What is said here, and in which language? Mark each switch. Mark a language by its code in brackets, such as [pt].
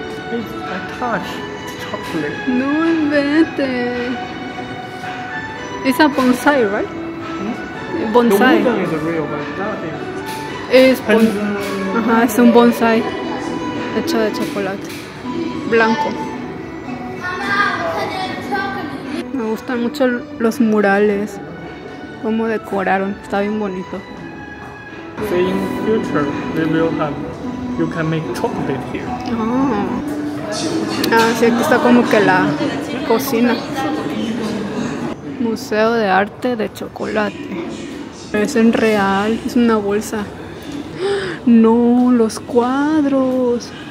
[en] It's attached to chocolate. [es] No invente. [en] It's a bonsai, right? Hmm? Bonsai. The wooden is real, but that is. [es] Es es un bonsai hecho de chocolate blanco. Me gustan mucho los murales, cómo decoraron, está bien bonito. [en] So in future we will have, you can make chocolate here. [es] Sí, aquí está como que la cocina. Museo de arte de chocolate. Es en real, es una bolsa. No, los cuadros.